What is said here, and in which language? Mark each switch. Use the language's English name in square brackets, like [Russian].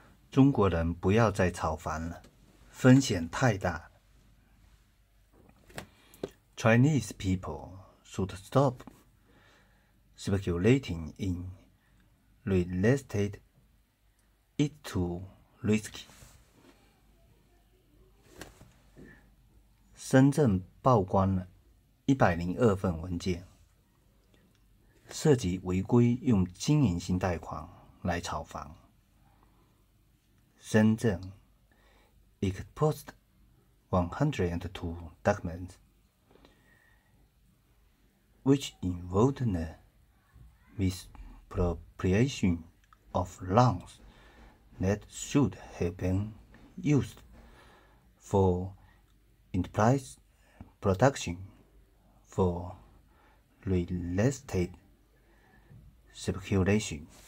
[Chinese] 中国人不要再炒房了，风险太大。 [English] Chinese people should stop speculating in real estate. It's too risky. [Chinese] 深圳曝光了102份文件，涉及违规用经营性贷款来炒房。 [English] 深圳 exposed 102 documents which involved the misappropriation of loans that should have been used for enterprise production for real estate speculation.